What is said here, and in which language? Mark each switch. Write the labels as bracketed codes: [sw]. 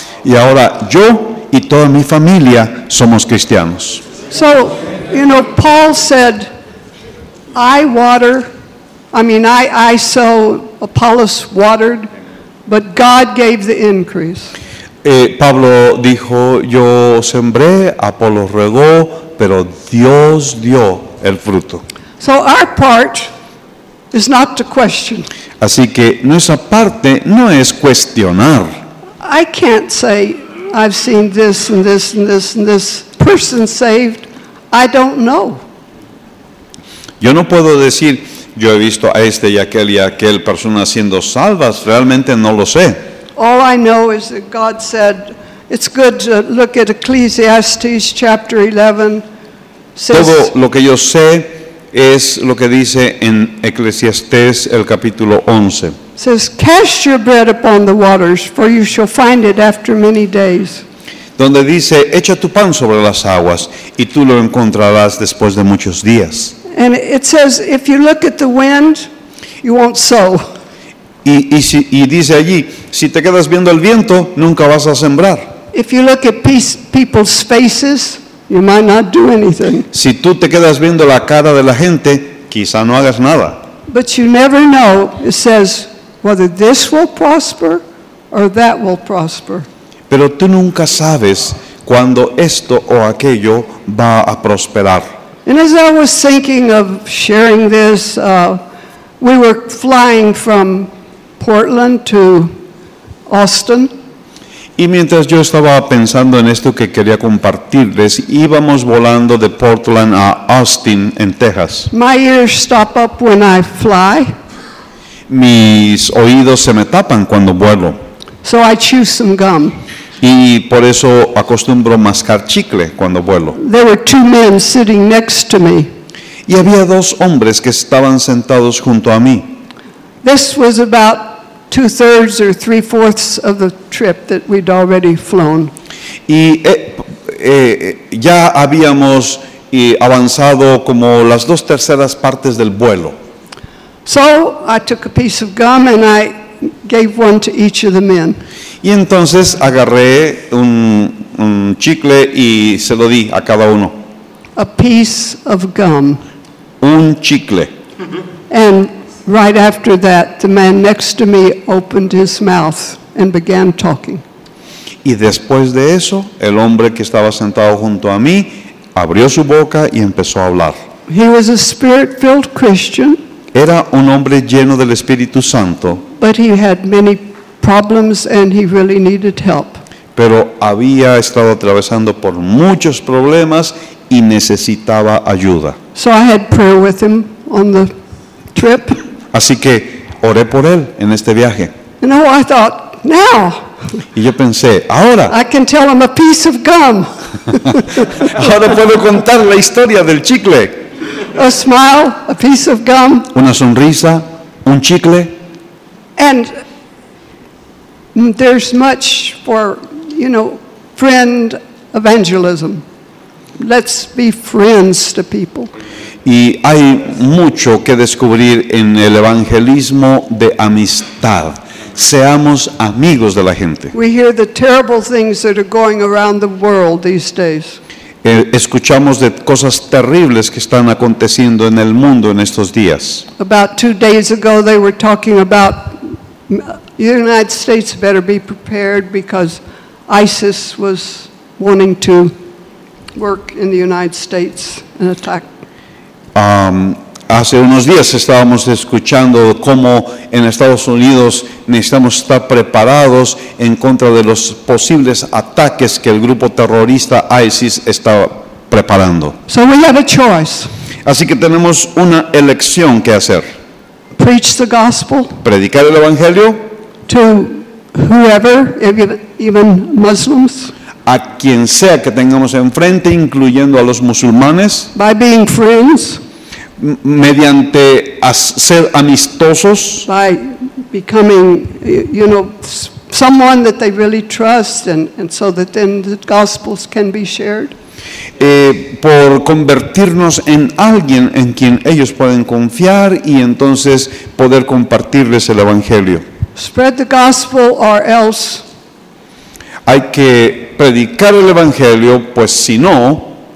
[es] Y ahora yo y toda mi familia somos cristianos. [en] So, you know, Paul said, I sow, Apollos watered, but God gave the increase. [es] Pablo dijo, yo sembré, Apollos regó, pero Dios dio el fruto. [en] So our part is not to question. [es] Así que nuestra parte no es cuestionar. [en] I can't say I've seen this and this and this and this person saved. I don't know. [es] Yo no puedo decir, yo he visto a este y aquel persona siendo salvas. Realmente no lo sé. [en] All I know is that God said, it's good to look at Ecclesiastes chapter 11. [es] Says, todo lo que yo sé es lo que dice en Eclesiastés el capítulo 11. [en] Says, cast your bread upon the waters, for you shall find it after many days. [es] Donde dice, echa tu pan sobre las aguas, y tú lo encontrarás después de muchos días. [en] And it says, if you look at the wind, you won't sow. [es] Y dice allí, si te quedas viendo el viento, nunca vas a sembrar. [en] If you look at people's faces, you might not do anything. [es] Si tú te quedas viendo la cara de la gente, quizá no hagas nada. [en] But you never know, it says, whether this will prosper or that will prosper. [es] Pero tú nunca sabes cuando esto o aquello va a prosperar. [en] And as I was thinking of sharing this, we were flying from Portland to Austin. [es] Y mientras yo estaba pensando en esto que quería compartirles, íbamos volando de Portland a Austin en Texas. [en] My ears stop up when I fly. [es] Mis oídos se me tapan cuando vuelo. [en] So I chew some gum. [es] Y por eso acostumbro mascar chicle cuando vuelo. [en] There were two men sitting next to me. [es] Y había dos hombres que estaban sentados junto a mí. [en] This was about 2/3 or 3/4 of the trip that we'd already flown. [es] Y ya habíamos y avanzado como las dos terceras partes del vuelo. [en] So I took a piece of gum and I gave one to each of the men. [es] Y entonces agarré un chicle y se lo di a cada uno. [en] A piece of gum. [es] Un chicle. [en] And right after that, the man next to me opened his mouth and began talking. [es] Y después de eso, el hombre que estaba sentado junto a mí abrió su boca y empezó a hablar. [en] He was a spirit-filled Christian. [es] Era un hombre lleno del Espíritu Santo. [en] But he had many problems and he really needed help. [es] Pero había estado atravesando por muchos problemas y necesitaba ayuda. [en] So I had prayer with him on the trip. [es] Así que oré por él en este viaje. [en] And you know, I thought, now. [es] Y yo pensé, ahora. [en] I can tell him a piece of gum. [es] Ahora puedo contar la historia del chicle. [en] A smile, a piece of gum. [es] Una sonrisa, un chicle. [en] And there's much for, you know, friend evangelism. Let's be friends to people. [es] Y hay mucho que descubrir en el evangelismo de amistad. Seamos amigos de la gente. [en] We hear the terrible things that are going around the world these days. [es] Escuchamos de cosas terribles que están aconteciendo en el mundo en estos días. [en] About 2 days ago they were talking about the United States better be prepared because ISIS was wanting to work in the United States and attack. [es] Hace unos días estábamos escuchando cómo en Estados Unidos necesitamos estar preparados en contra de los posibles ataques que el grupo terrorista ISIS está preparando. [en] So we have a choice. [es] Así que tenemos una elección que hacer. [en] Preach the gospel. [es] Predicar el evangelio. [en] To whoever, even Muslims. [es] A quien sea que tengamos enfrente, incluyendo a los musulmanes. [en] By being friends. [es] Mediante ser amistosos. [en] By becoming, you know, someone that they really trust, and so that then the gospels can be shared. [es] Por convertirnos en alguien en quien ellos pueden confiar y entonces poder compartirles el evangelio. [en] Spread the gospel or else. [es] Hay que predicar el evangelio, pues si no,